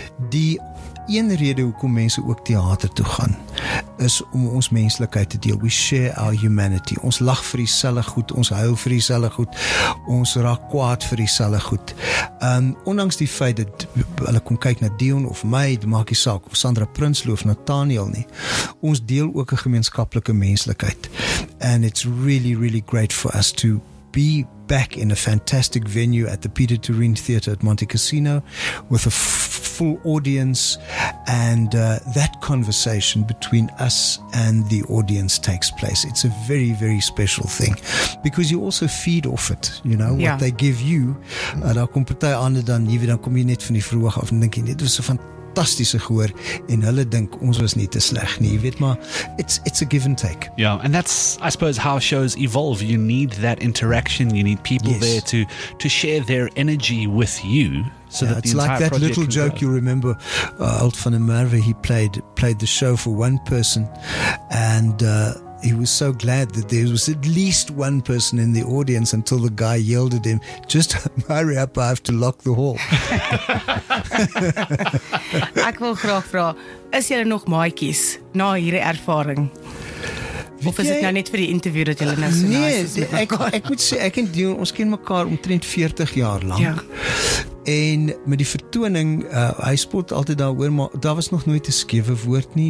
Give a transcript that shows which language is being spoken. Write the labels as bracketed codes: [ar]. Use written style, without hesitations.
[af] Die een rede hoekom mense ook theater toe gaan, is om ons menslikheid te deel. [en] We share our humanity. [af] Ons lag vir dieselfde goed, ons huil vir dieselfde goed, ons raak kwaad vir dieselfde goed. Ondanks die feit dat hulle kom kyk na Dion of my, dit maak nie saak, of Sandra Prinsloo of Nathaniel nie, ons deel ook 'n gemeenskaplike menslikheid. [en] And it's really, really great for us to be back in a fantastic venue at the Peter Turin Theatre at Monte Cassino with a full audience, and that conversation between us and the audience takes place. It's a very, very special thing because you also feed off it, you know, what they give you. [af] Daar kom party ander dan hier, dan kom jy net van die vroeg af en dink jy net, dit was so fantastiese gehoor, en hulle dink ons was nie te sleg nie, jy weet, maar [en] it's a give and take. Yeah, and that's, I suppose, how shows evolve. You need that interaction, you need people there to share their energy with you. So yeah, it's like that little joke you remember, Alt van der Merwe, he played the show for one person, and he was so glad that there was at least one person in the audience until the guy yelled at him, just hurry up, I have to lock the hall. [af] Ek wil graag vra, is jy nog maatjies na hierdie ervaring? Of is dit nou net vir die interview dat julle nou so nee, nice is? Nee, ek moet sê, ek en Dion, ons ken mekaar omtrent 40 jaar lang. En met die vertoning, hy spot altyd daaroor, maar daar was nog nooit 'n skewe woord nie.